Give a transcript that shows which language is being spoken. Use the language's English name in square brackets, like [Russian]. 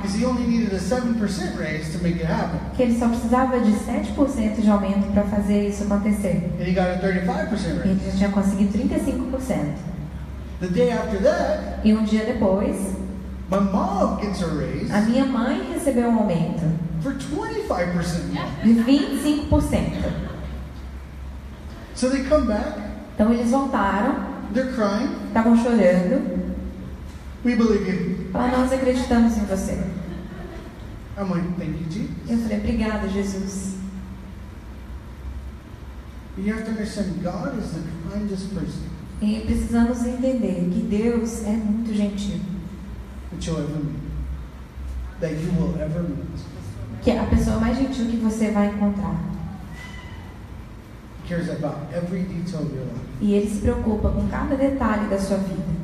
[English] Because he only needed a 7% raise to make it happen. [Portuguese] Que ele só precisava de 7% de aumento para fazer isso acontecer. [English] And he got a 35% raise. [Portuguese] Ele já tinha conseguido 35%. [English] The day after that. [Portuguese] E um dia depois. [English] My mom gets a raise. [Portuguese] A minha mãe recebeu um aumento. [English] For 25%. [Portuguese] De 25%. [English] So they come back. [Portuguese] Então eles voltaram. [English] They're crying. [Portuguese] Estavam chorando. [English] We believe you. [Portuguese] Nós acreditamos em você. A mãe, [English] thank you, Jesus. [Portuguese] Eu falei, obrigada, Jesus. [English] You have to understand, God is the kindest person. [Portuguese] E precisamos entender que Deus é muito gentil. [English] That you'll ever meet. That you will ever meet. [Portuguese] Que é a pessoa mais gentil que você vai encontrar. [English] He cares about every detail of your life. [Portuguese] E ele se preocupa com cada detalhe da sua vida.